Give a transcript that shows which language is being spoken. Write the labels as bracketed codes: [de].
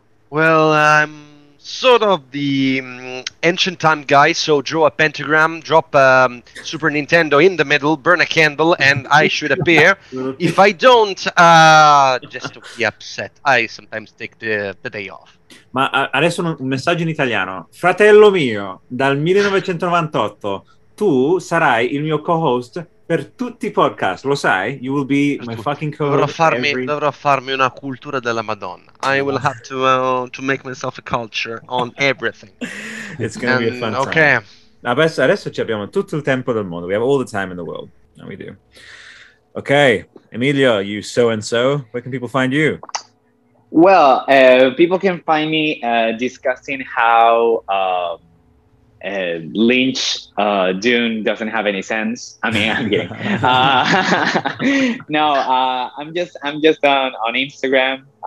[en] Well, I'm sort of the ancient time guy, so draw a pentagram, drop a Super Nintendo in the middle, burn a candle, and I should appear. If I don't, just to be upset, I sometimes take the day off. [it] Ma adesso un messaggio in italiano. Fratello mio, dal 1998... tu sarai il mio co-host per tutti I podcast, lo sai? [en] You will be my fucking co-host. [it] Dovrò farmi una cultura della Madonna. [en] I will have to make myself a culture on everything. It's going to be a fun time. Okay. [it] Adesso ci abbiamo tutto il tempo del mondo. [en] We have all the time in the world. No, we do. Okay, Emilio, you so-and-so. Where can people find you? Well, people can find me discussing how... Lynch Dune doesn't have any sense. I mean, I'm kidding. I'm just on Instagram.